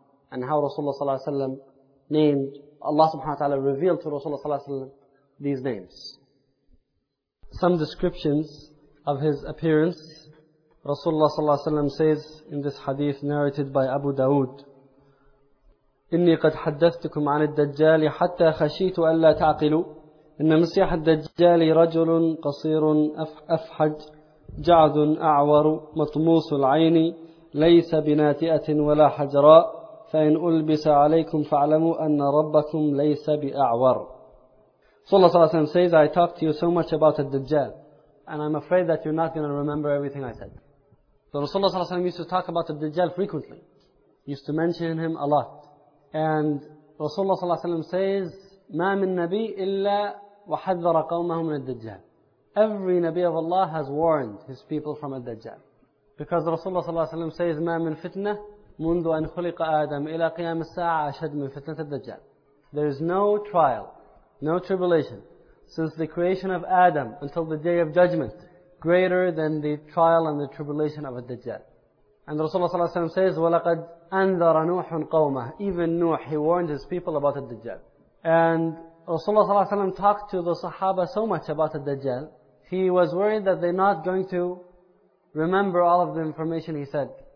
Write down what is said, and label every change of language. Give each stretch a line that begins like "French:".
English: And how Rasulullah sallallahu alayhi wa sallam named, Allah subhanahu wa ta'ala revealed to Rasulullah sallallahu alayhi wa sallam these names. Some descriptions of his appearance. Rasulullah sallallahu alayhi wa sallam says in this hadith narrated by Abu Dawood,
Arabic: إِنِّي قَدْ حَدَّثْتُكُمْ عَنِ الدَّجَّالِ حَتَّى خَشِيتُ أَلَّا تَعْقِلُوا إن مسيح الدجال رجل قصير أفحج جعد أعور مطموس العين ليس بناتئة ولا حجراء فإن ألبس عليكم فاعلموا أن ربكم ليس بأعور.
English: So Allah Sallallahu Alaihi Wasallam says, I talked to you so much about the Dajjal, and I'm afraid that you're not going to remember everything I said. So Rasulullah Sallallahu Alaihi Wasallam used to talk about the Dajjal frequently. He used to mention him a lot. And Rasulullah Sallallahu Alaihi Wasallam says,
Arabic: مَا مِن نَبِي إِلَّا وَحَذَّرَ قَوْمَهُ مِنَ الدَّجَّالِ.
English: Every Nabi of Allah has warned his people from al-Dajjal. Because Rasulullah Sallallahu Alaihi Wasallam says,
Arabic: مَا مِن فِتْنَةٍ مُنْدُ أَنْ خُلِقَ آدَمْ إِلَى قِيَامِ السَّاعَةِ أَشَدْ مِن فِتْنَةِ الدَّجَّالِ.
English: There is no trial, no tribulation, since the creation of Adam until the Day of Judgment, greater than the trial and the tribulation of al-Dajjal. And Rasulullah Sallallahu Alaihi Wasallam says,
Arabic: وَلَقَدْ أَنذَرَ نُوحٌ قَوْمَهُ.
English: Even Nuh, he warned his people about al-Dajjal. And Rasulullah Sallallahu Alaihi Wasallam talked to the Sahaba so much about al-Dajjal, he was worried that they're not going to remember all of the information he said.